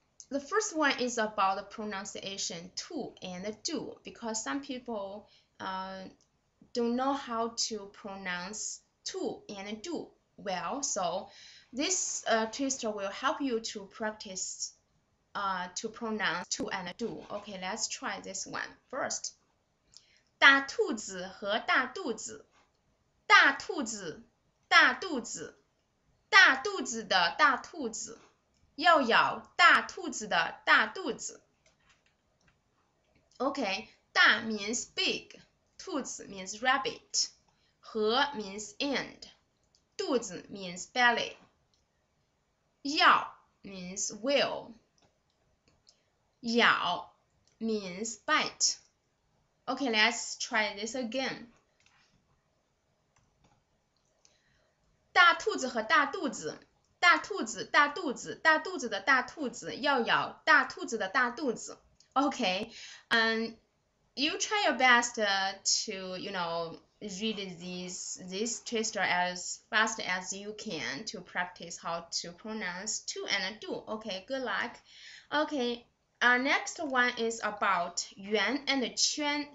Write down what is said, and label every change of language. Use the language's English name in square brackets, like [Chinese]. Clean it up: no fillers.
[English] The first one is about the pronunciation to and do because some people don't know how to pronounce to and do well. So this twister will help you to practice to pronounce to and do. Okay, let's try this one first. [Chinese] 大兔子和大肚子大肚子大肚子大肚子的大兔子 要咬大兔子的大肚子. [English] Okay, 大 means big, 兔子 means rabbit, 和 means and, 肚子 means belly, 要 means will, 咬 means bite. Okay, let's try this again. 大兔子和大肚子 大兔子大肚子大肚子的大兔子要咬大兔子的大肚子. Okay, you try your best to read this twister as fast as you can to practice how to pronounce to and do. Okay, good luck. Okay, our next one is about yuan and quan.